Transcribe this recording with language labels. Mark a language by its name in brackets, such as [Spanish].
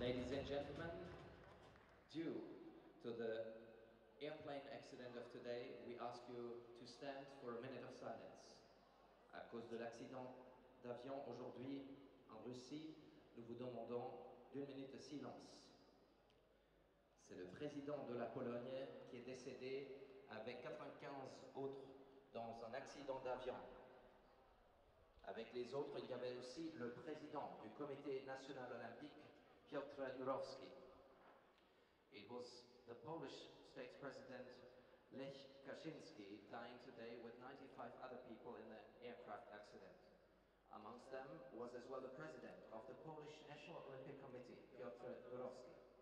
[English] Ladies and gentlemen, due to the airplane accident of today, we ask you to stand for a minute of silence. [French] À cause de l'accident d'avion aujourd'hui en Russie, nous vous demandons d'une minute de silence. C'est le président de la Pologne qui est décédé avec 95 autres dans un accident d'avion. Avec les autres, il y avait aussi le président du Comité National Olympique, Piotr Jurowski. [English] It was the Polish state president, Lech Kaczynski, dying today with 95 other people in the aircraft accident. Amongst them was as well the president of the Polish National Olympic Committee, Piotr Jurowski.